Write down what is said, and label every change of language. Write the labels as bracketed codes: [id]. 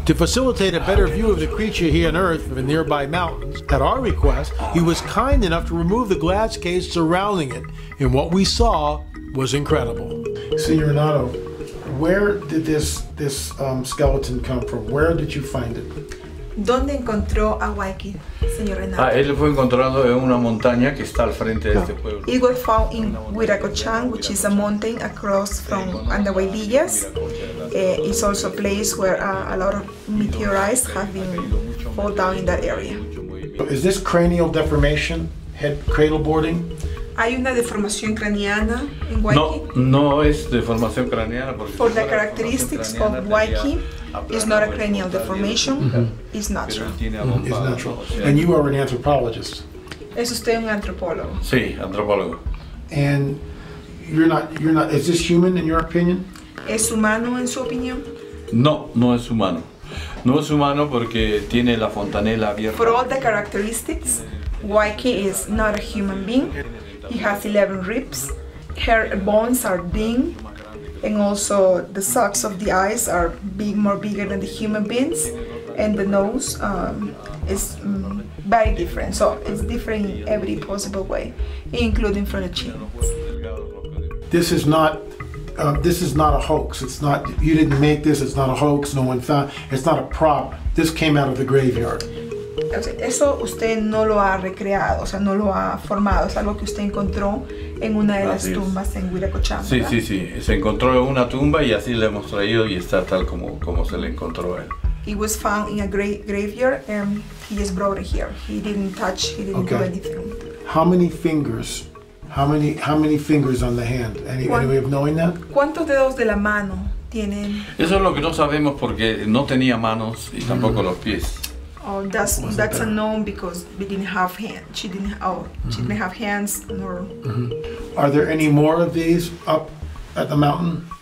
[en] To facilitate a better view of the creature he unearthed from the nearby mountains, at our request, he was kind enough to remove the glass case surrounding it, and what we saw was incredible. Senor Renato, where did this skeleton come from? Where did you find it? [es] ¿Dónde encontró a Waiki, señor Renato? Él fue encontrado en una montaña que está al frente de este pueblo. [en] It was found in Wiracochan, which is a mountain across from Andahuay Villas. It's also a place where a lot of meteorites have been fall down in that area. Is this cranial deformation, head cradle boarding? [es] ¿Hay una deformación craneana en Waiki? No, no es deformación craneana. [en] For the characteristics of Waiki, it's not a cranial deformation, it's natural. It's natural. And you are an anthropologist. [es] ¿Es usted un antropólogo? Sí, antropólogo. [en] And you're not, is this human in your opinion? [es] ¿Es humano en su opinión? No, no es humano. No es humano porque tiene la fontanela abierta. [en] For all the characteristics, Waiki is not a human being. He has 11 ribs, her bones are dinged, and also the socks of the eyes are big, more bigger than the human beings, and the nose is very different. So it's different in every possible way, including from the chin. This is not a hoax. It's not, you didn't make this, it's not a hoax, no one found, it's not a prop. This came out of the graveyard. [es] Eso usted no lo ha recreado, o sea, no lo ha formado. Es algo que usted encontró en una de las tumbas en Wiracochan. Sí, sí, sí. Se encontró en una tumba y así le hemos traído y está tal como se le encontró él. [en] He was found in a graveyard and he is brought here. He didn't touch. He didn't do anything. How many fingers on the hand? Any way of knowing that? [es] ¿Cuántos dedos de la mano tienen? Eso es lo que no sabemos porque no tenía manos y tampoco los pies. [en] Oh, that's unknown because we didn't have hands. She didn't have hands nor. Mm-hmm. Are there any more of these up at the mountain?